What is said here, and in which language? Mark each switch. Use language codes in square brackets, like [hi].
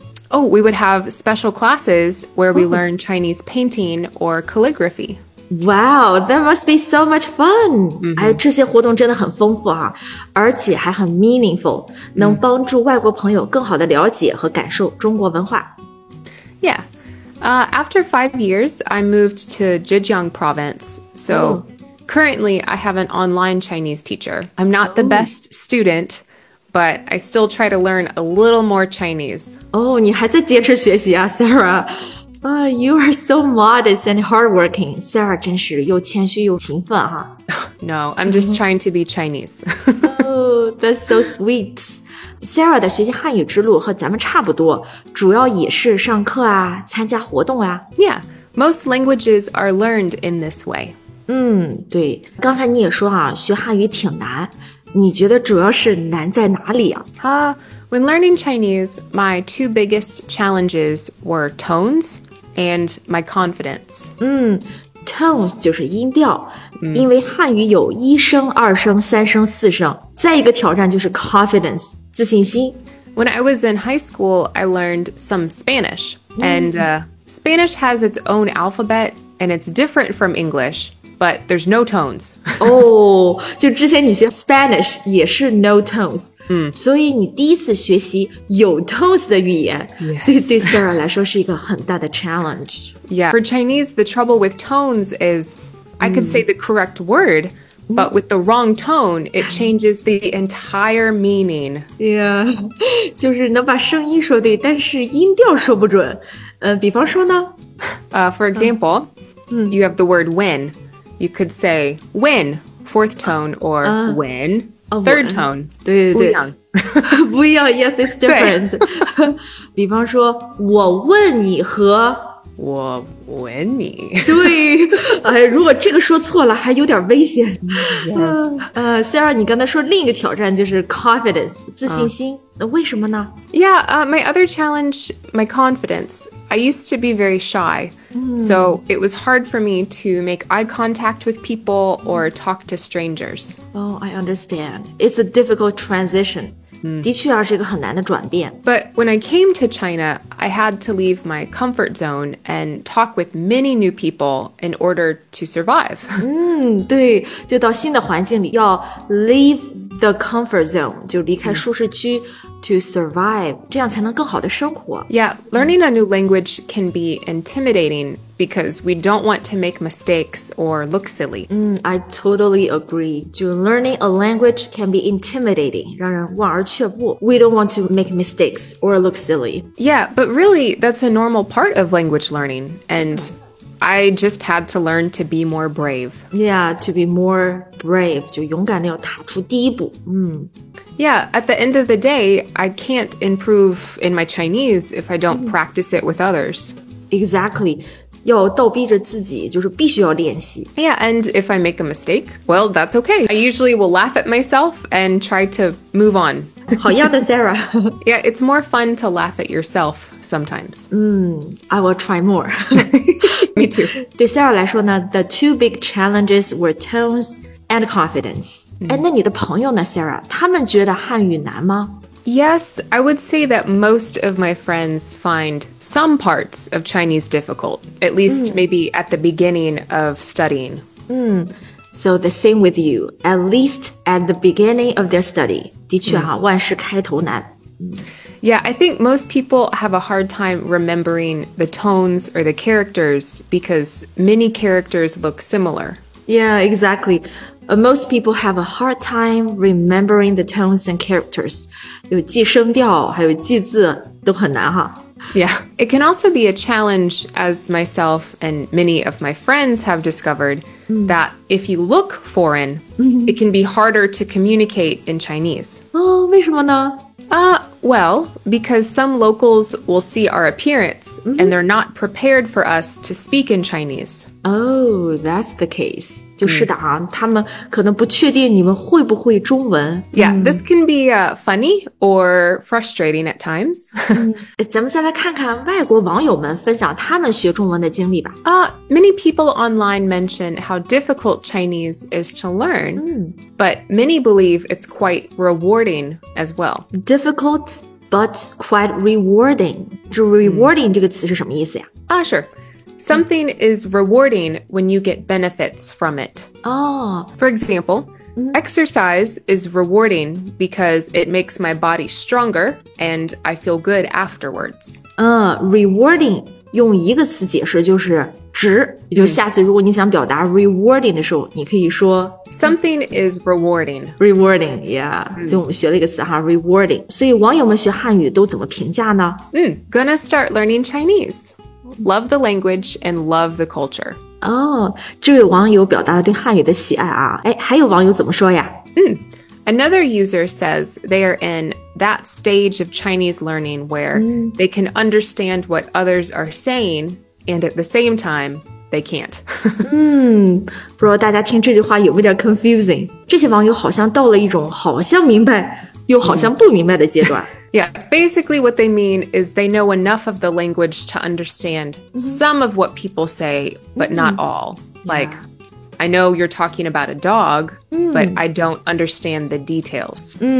[en] Oh, we would have special classes where we learn Chinese painting or calligraphy. Wow, that must be so much fun. Mm-hmm. [zh] 哎，这些活动真的很丰富啊，而且还很 [en] meaningful, [zh] 能帮助外国朋友更好地了解和感受中国文化。 [en] Yeah. After 5 years, I moved to Zhejiang province. So currently, I have an online Chinese teacher. I'm not the best student. But I still try to learn a little more Chinese. [zh] Oh, 你还在坚持学习啊, Sarah. [en] You are so modest and hardworking. [zh] Sarah 真是又谦虚又勤奋啊。 [en] No, I'm just trying to be Chinese. Oh, that's so sweet. [zh] Sarah 的学习汉语之路和咱们差不多,主要也是上课啊,参加活动啊。 [en] Yeah, most languages are learned in this way. [zh] 对。刚才你也说啊,学汉语挺难。你觉得主要是难在哪里啊? [en] When learning Chinese, my two biggest challenges were tones and my confidence. [zh] Tones 就是音调,因为汉语有一声、二声、三声、四声。再一个挑战就是 confidence, 自信心。 [en] When I was in high school, I learned some Spanish. Spanish has its own alphabet and it's different from English. But there's no tones. [zh] Oh, 就之前你学 Spanish 也是 [en] no tones. [zh] 所以你第一次学习有 tones 的语言 [en] yes. [zh] 所以对 Sarah 来说是一个很大的 challenge. [en] Yeah, for Chinese, the trouble with tones is I could say the correct word, but with the wrong tone, it changes the entire meaning. [zh] Yeah, 就是能把声音说对但是音调说不准。比方说呢? [en] For example, you have the word when. You could say when, fourth tone, or when, third tone. [zh] 对对对。不一样。不一样, [en] yes, it's different. [zh] 比方说,我问你和我问你。对,如果这个说错了还有点危险。 [en] Yes. [zh] Sarah, 你刚才说另一个挑战就是 confidence, 自信心。为什么呢? [en] Yeah, my other challenge, my confidence. I used to be very shy, so it was hard for me to make eye contact with people or talk to strangers. Oh, I understand. It's a difficult transition. [zh] 的确啊，是一个很难的转变。 [en] But when I came to China, I had to leave my comfort zone and talk with many new people in order to survive. [zh] 对，就到新的环境里要 [en] leave the comfort zone, [zh] 就离开舒适区 [en] to survive, [zh] 这样才能更好的生活。 [en] Yeah, learning a new language can be intimidating because we don't want to make mistakes or look silly. I totally agree. 就 learning a language can be intimidating, [zh] 让人望而却步。 [en] We don't want to make mistakes or look silly. Yeah, but really, that's a normal part of language learning, andI just had to learn to be more brave. Yeah, to be more brave. [zh] 就勇敢地要踏出第一步。 [en] Yeah, at the end of the day, I can't improve in my Chinese if I don't practice it with others. Exactly. [zh] 要倒逼着自己就是必须要练习。 [en] Yeah, and if I make a mistake, well, that's okay. I usually will laugh at myself and try to move on. [zh] 好样的 Sarah. [en] Yeah, it's more fun to laugh at yourself sometimes. I will try more. Me too. [zh] 对 Sarah 来说呢 [en] the two big challenges were tones and confidence. [zh] 那你的朋友呢 Sarah, 他们觉得汉语难吗? [en] Yes, I would say that most of my friends find some parts of Chinese difficult, at least maybe at the beginning of studying. So the same with you, at least at the beginning of their study. [zh] 的确啊，万事开头难。 [en] Yeah, I think most people have a hard time remembering the tones or the characters because many characters look similar. Yeah, exactly. Most people have a hard time remembering the tones and characters. [zh] 有记声调还有记字都很难哈。 [en] Yeah, it can also be a challenge as myself and many of my friends have discovered. that if you look foreign, it can be harder to communicate in Chinese. [zh] Oh, 为什么呢? [en] Well, because some locals will see our appearance, and they're not prepared for us to speak in Chinese. Oh, that's the case. [zh] 就是的啊，他们可能不确定你们会不会中文。 [en] Yeah, this can be funny or frustrating at times. [zh] 咱们再来看看外国网友们分享他们学中文的经历吧。 [en] Many people online mention how difficult Chinese is to learn, but many believe it's quite rewarding as well. Difficult, but quite rewarding. [zh] 这 rewarding 这个词是什么意思呀？ [en] Sure. Something is rewarding when you get benefits from it. Oh. For example, exercise is rewarding because it makes my body stronger and I feel good afterwards. [zh] Rewarding, 用一个词解释就是值，也就是下次如果你想表达 rewarding 的时候，你可以说 [en] something is rewarding. Rewarding, yeah. [zh] 所以我们学了一个词哈 rewarding. 所以网友们学汉语都怎么评价呢？ [en] Gonna start learning Chinese. Love the language and love the culture. [zh] Oh, 这位网友表达了对汉语的喜爱啊。哎，还有网友怎么说呀？ [en] Another user says they are in that stage of Chinese learning where they can understand what others are saying and at the same time, they can't. [zh] 不知道大家听这句话有没有点 [en] confusing? [zh] 这些网友好像到了一种好像明白又好像不明白的阶段。 [en] Yeah, basically what they mean is they know enough of the language to understand some of what people say, but not all. Like, I know you're talking about a dog, but I don't understand the details.